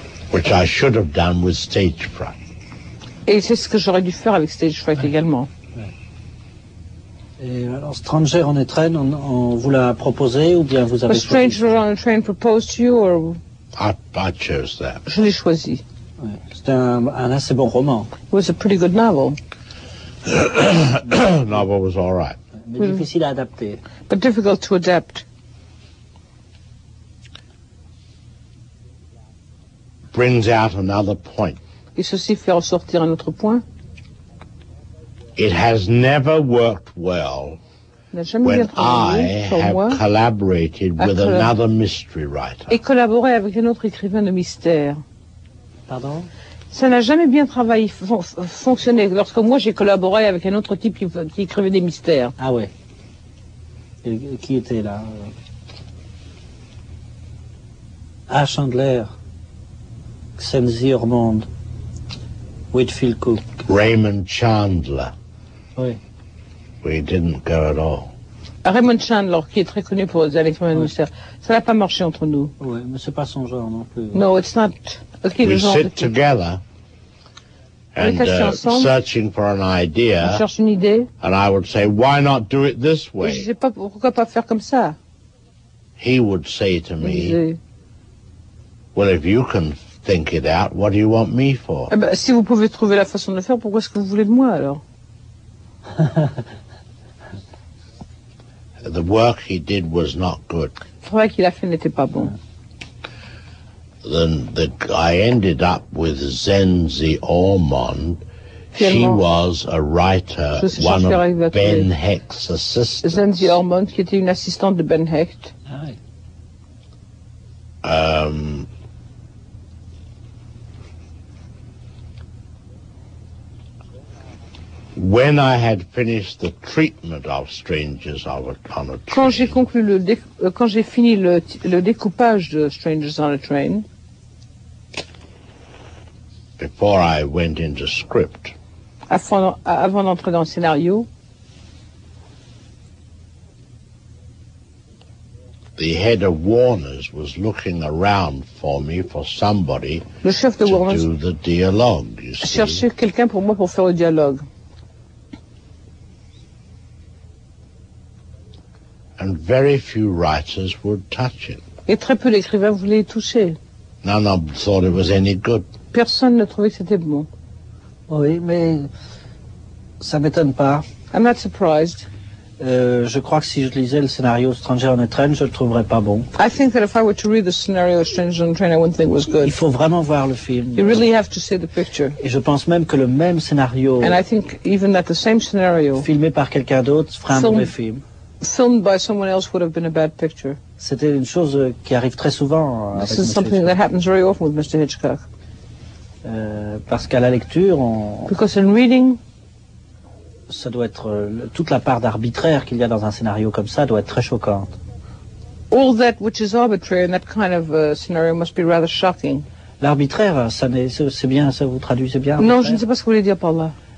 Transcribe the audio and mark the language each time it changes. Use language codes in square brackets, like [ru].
[en] Which I should have done with stage fright. [fr] Et c'est ce que j'aurais dû faire avec Stage Fright ouais. également. Ouais. Et alors, Stranger on a Train, on vous l'a proposé ou bien vous avez [en] Stranger choisi Stranger on a Train proposed to you or I chose that. [fr] Je l'ai choisi. Ouais. C'était un assez bon roman. [en] It was a pretty good novel. Novel was all right. [fr] Mais difficile à adapter. [en] But difficult to adapt. Brings out another point. [fr] Et ceci fait ressortir un autre point. [en] It has never worked well when I have collaborated with another mystery writer. [fr] Et collaboré avec un autre écrivain de mystère. Pardon? Ça n'a jamais bien travaillé, fonctionné lorsque moi j'ai collaboré avec un autre type qui écrivait des mystères. Ah ouais. Et qui était là? [en] A. Chandler, Xenzi Ormond. Whitfield Cook. Raymond Chandler. [fr] Oui. [en] We didn't go at all. [fr] Raymond Chandler, qui est très connu pour les années de mystère, ça n'a pas marché entre nous. Oui, mais ce n'est pas son genre non plus. [en] No, it's not. Okay, we sit together and searching for an idea. [fr] On cherche une idée. [en] And I would say, why not do it this way? [fr] Je ne sais pas pourquoi pas faire comme ça. [en] He would say to me, well, if you can think it out, what do you want me for? [fr] Eh ben, si vous pouvez trouver la façon de le faire, pourquoi est-ce que vous voulez de moi, alors? [en] The work he did was not good. [fr] Le travail qu'il a fait n'était pas bon. [en] Then I ended up with Xenzi Ormond. [fr] Finalement, [en] she was a writer, one of Ben Hecht's assistants. [fr] Xenzi Ormond, qui était une assistante de Ben Hecht. [en] When I had finished the treatment of Strangers on a Train, [fr] quand j'ai fini le découpage de Strangers on a Train, [en] before I went into script, [fr] avant d'entrer dans le scénario, [en] the head of Warners was looking around for me for somebody [fr] le chef de [en] to [fr] Warners [en] do the dialogue. You see, [fr] cherchait quelqu'un pour moi pour faire le dialogue. [en] And very few writers would touch it. [fr] Et très peu d'écrivains voulaient y toucher. [en] None of them thought it was any good. [fr] Personne ne trouvait que c'était bon. Oui, mais ça ne m'étonne pas. [en] I'm not surprised. [fr] Je crois que si je lisais le scénario Stranger on a Train, je ne le trouverais pas bon. [en] I think that if I were to read the scenario Stranger on a Train, I wouldn't think it was good. [fr] Il faut vraiment voir le film. [en] You really have to see the picture. [fr] Et je pense même que le même scénario, [en] and I think even that the same scenario, [fr] filmé par quelqu'un d'autre, ferait un mauvais film. [en] Filmed by someone else would have been a bad picture. [fr] C'était une chose qui arrive très souvent avec [en] this is something Hitchcock. That happens very often with Mr. Hitchcock. [fr] Parce qu'à la lecture, on... [en] Because in reading, [fr] ça doit être toute la part d'arbitraire qu'il y a dans un scénario comme ça doit être très choquante. [en] All that which is arbitrary in that kind of scenario must be rather shocking. [fr] L'arbitraire, ça n'est, c'est bien, ça vous traduit, c'est bien. Non, je ne sais pas ce que vous voulez dire par là.